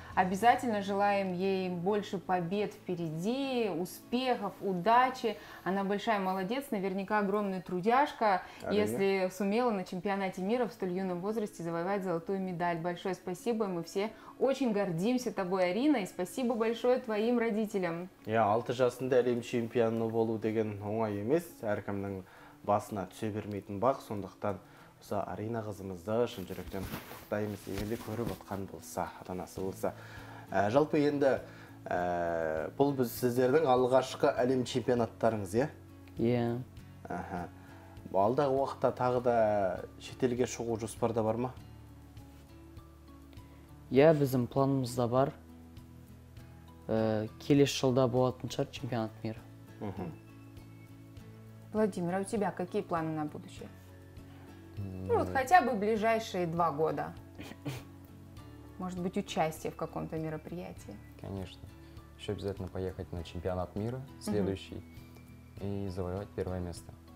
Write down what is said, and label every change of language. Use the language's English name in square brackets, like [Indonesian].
[Russian] Обязательно желаем ей больше побед впереди, успехов, удачи. Она большая молодец, наверняка огромная трудяжка, если сумела на чемпионате мира в столь юном возрасте завоевать золотую медаль. Большое спасибо, мы все очень гордимся тобой, Арина, и спасибо большое твоим родителям. [Kazakh] Я 6 жасында әлем чемпионы болу деген оңай емес, әркімнің басына түсе бермейтін бақ, сондықтан осы Арина қызымызды шын жүректен құттықтаймыз, егерде көріп отқан болса, атанасы болса. Жалпы енді бұл біз сіздердің алғашқы әлем чемпионаттарыңыз, е? Алдағы уақытта тағы да шетелге шығу жоспарда бар ма? Біздің планымызда бар. Келесі жылда болатын шығар [Russian] чемпионат мира. Владимир, а у тебя какие планы на будущее? Ну, вот хотя бы ближайшие 2 года. Может быть, участие в каком-то мероприятии. Конечно. Еще обязательно поехать на чемпионат мира следующий и завоевать первое место.